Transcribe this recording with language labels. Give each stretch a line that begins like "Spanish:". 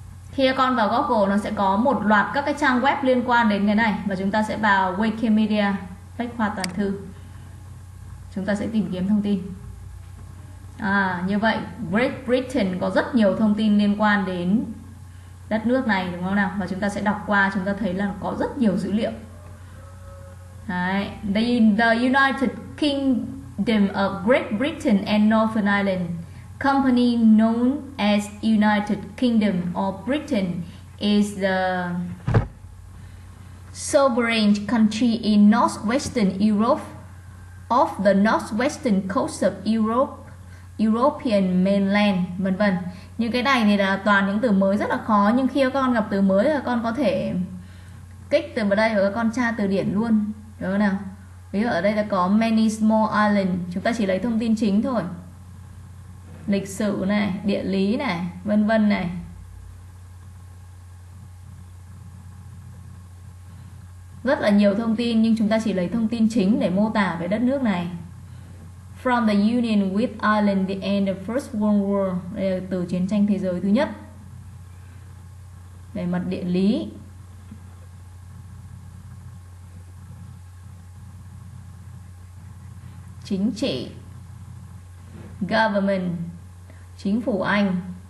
Vietnamese: Khi con vào Google nó sẽ có một loạt các cái trang web liên quan đến cái này và chúng ta sẽ vào Wikimedia, Bách khoa toàn thư. Chúng ta sẽ tìm kiếm thông tin. À, như vậy Great Britain có rất nhiều thông tin liên quan đến đất nước này, đúng không nào? Và chúng ta sẽ đọc qua, chúng ta thấy là có rất nhiều dữ liệu. Đấy.
English: The United Kingdom of Great Britain and Northern Ireland, company known as United Kingdom of Britain, is the sovereign country in northwestern Europe, off the northwestern coast of Europe, European mainland,
Vietnamese: vân vân. Như cái này thì là toàn những từ mới rất là khó, nhưng khi các con gặp từ mới là con có thể kích từ vào đây và các con tra từ điển luôn, đúng không nào? Ví dụ ở đây là có
English: many small islands,
Vietnamese: chúng ta chỉ lấy thông tin chính thôi, lịch sử này, địa lý này, vân vân này. Rất là nhiều thông tin nhưng chúng ta chỉ lấy thông tin chính để mô tả về đất nước này.
English: From the union with Ireland, the end of First World War.
Vietnamese: Đây là từ chiến tranh thế giới thứ nhất. Về mặt địa lý, chính trị, government, chính phủ Anh.